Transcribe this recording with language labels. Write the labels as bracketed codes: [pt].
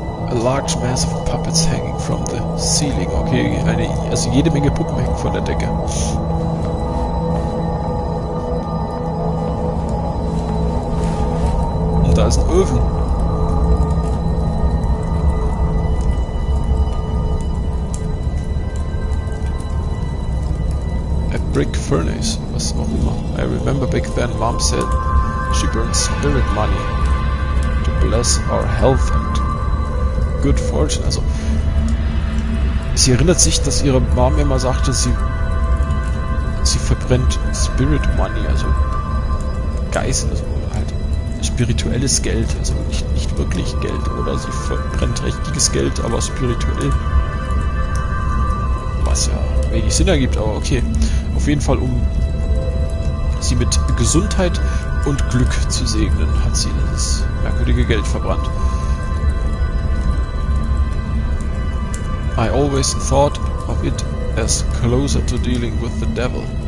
[en] A large mass of puppets hanging from the ceiling. [de] Okay, also jede Menge Puppen hängen von der Decke. Und da ist ein Öfen. [en] A brick furnace, [de] was auch immer. [en] I remember back then mom said she burned spirit money to bless our health and good fortune. [de] Also, sie erinnert sich, dass ihre Mom immer sagte, sie verbrennt Spirit Money, also Geist, also halt spirituelles Geld, also nicht wirklich Geld, oder sie verbrennt richtiges Geld, aber spirituell. Was ja wenig Sinn ergibt, aber okay. Auf jeden Fall, um sie mit Gesundheit und Glück zu segnen, hat sie das merkwürdige Geld verbrannt. [en] I always thought of it as closer to dealing with the devil.